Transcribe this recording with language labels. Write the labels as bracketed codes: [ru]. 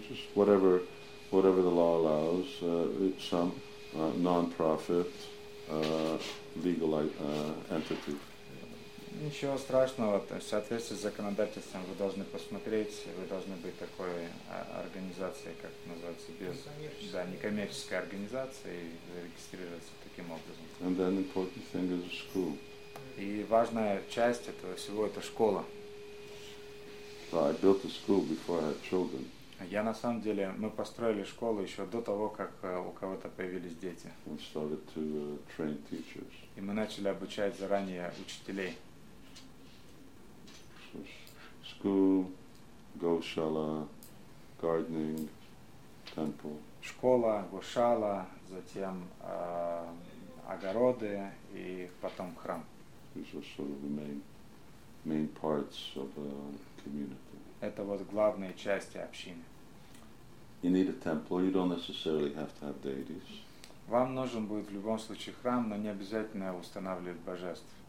[en] You just whatever the law allows, some non-profit legal entity. [ru] Ничего страшного, в соответствии с законодательством вы должны посмотреть, вы должны быть такой организацией, как называется, без, да, некоммерческой организацией, и зарегистрироваться таким образом. [en] And then important thing is school. [ru] И важная часть этого всего – это школа. [en] So I built a school before I had children. [ru] Я на самом деле, мы построили школу еще до того, как у кого-то появились дети. [en] We started to train teachers. [ru] И мы начали обучать заранее учителей. [en] School, Goshala, gardening, temple. [ru] Школа, Гошала, затем огороды и потом храм. [en] These are sort of the main parts of a community. [ru] Это вот главные части общины. [en] You need a temple, you don't necessarily have to have deities. [ru] Вам нужен будет в любом случае храм, но не обязательно устанавливать божеств.